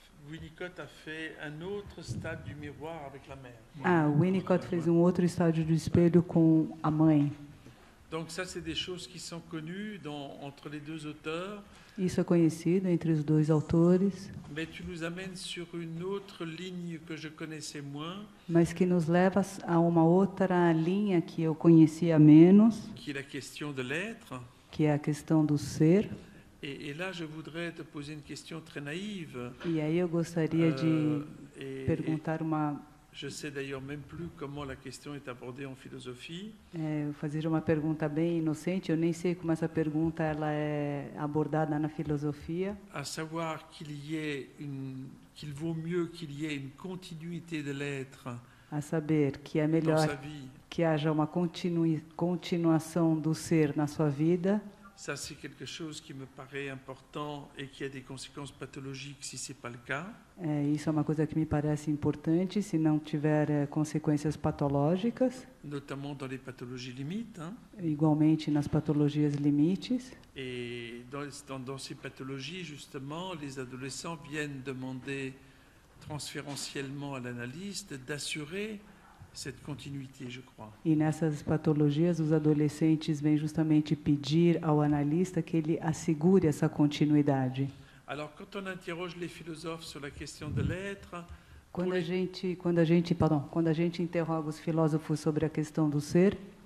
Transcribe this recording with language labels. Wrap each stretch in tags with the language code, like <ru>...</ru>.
<fr>Winnicott a fait un autre stade du miroir avec la mer.</fr> <pt>Ah, Winnicott fez um outro estágio do espelho com a mãe.</pt> <fr>Donc ça c'est des choses qui sont connues dans entre les deux auteurs.</fr> <pt>Isso é conhecido entre os dois autores.</pt> <fr>Mais tu nous amènes sur une autre ligne que je connaissais moins.</fr> <pt>Mas que nos leva a uma outra linha que eu conhecia menos.</pt> <fr>Qui est la question de l'être.</fr> <pt>Que é a questão do ser.</pt> <fr>Et là je voudrais te poser une question très naïve.</fr> <pt>E aí eu gostaria de perguntar uma.</pt> <fr>Je sais d'ailleurs même plus comment la question est abordée en philosophie.</fr> <pt>Fazer uma pergunta bem inocente, eu nem sei como essa pergunta ela é abordada na filosofia.</pt> <fr>À savoir qu'il y ait une, qu'il vaut mieux qu'il y ait une continuité de l'être.</fr> <pt>A saber que é melhor que haja uma continuação do ser na sua vida.</pt> <fr>Ça c'est quelque chose qui me paraît important et qui a des conséquences pathologiques si c'est pas le cas.</fr> <pt>Isso é uma coisa que me parece importante se não tiver consequências patológicas.</pt> <fr>Notamment dans les pathologies limites.</fr> <pt>Igualmente nas patologias limites.</pt> <fr>Et dans ces pathologies justement, les adolescents viennent demander transférentiellement à l'analyste d'assurer cette continuité, je crois.</fr> <pt>E nessas patologias, os adolescentes vêm justamente pedir ao analista que ele assegure essa continuidade.</pt> <fr>Alors, quand on interroge les philosophes sur la question de l'être,</fr> <pt>quando a gente interroga os filósofos sobre a questão do ser,</pt>